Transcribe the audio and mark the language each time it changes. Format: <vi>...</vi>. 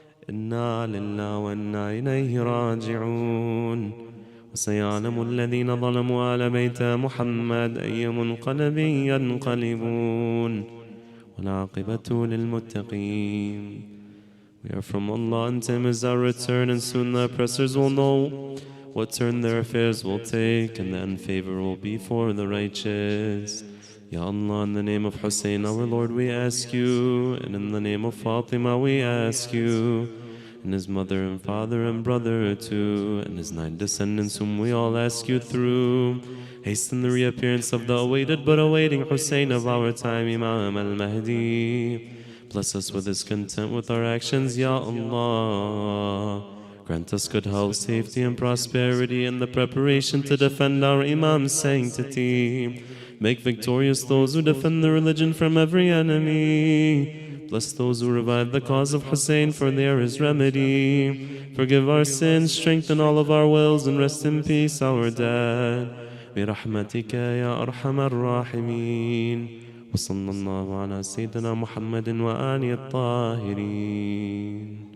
<ar>إنا لله وإنا إليه راجعون وسيعلم الذين ظلموا آل بيت محمد أي منقلب ينقلبون والعاقبة للمتقين.</ar> <en>We are from Allah and time is our return, and soon the oppressors will know what turn their affairs will take, and the unfavor will be for the righteous. Ya Allah, in the name of Hussein, our Lord, we ask you, and in the name of Fatima, we ask you, and his mother and father and brother too, and his nine descendants whom we all ask you through. Hasten the reappearance of the awaited but awaiting Hussein of our time, Imam al-Mahdi. Bless us with his content with our actions, Ya Allah. Grant us good health, safety, and prosperity in the preparation to defend our Imam's sanctity. Make victorious those who defend the religion from every enemy. Bless those who revive the cause of Hussein, for they are his remedy. Forgive our sins, strengthen all of our wills, and rest in peace our dead.</en> <ar>برحمتك يا أرحم الراحمين وصلى الله على سيدنا محمد وآله الطاهرين.</ar>